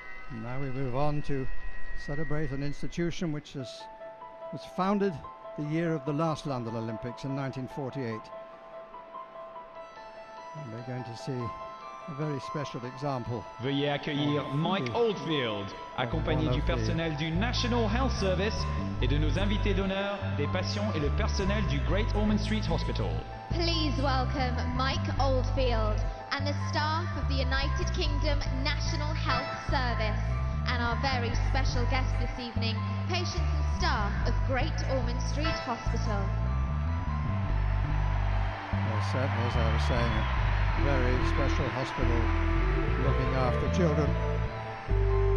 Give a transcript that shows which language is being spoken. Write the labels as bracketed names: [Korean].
[English] And now we move on to celebrate an institution which was founded the year of the last London Olympics in 1948. And we're going to see a very special example. [French] Veuillez accueillir Mike Oldfield, accompagné du personnel du National Health Service et de nos invités d'honneur, des patients et le personnel du Great Ormond Street Hospital. [English] Please welcome Mike Oldfield and the staff of the United Kingdom National Health Service and our very special guest this evening, patients and staff of Great Ormond Street Hospital. Yes, certainly, as I was saying, very special hospital looking after children.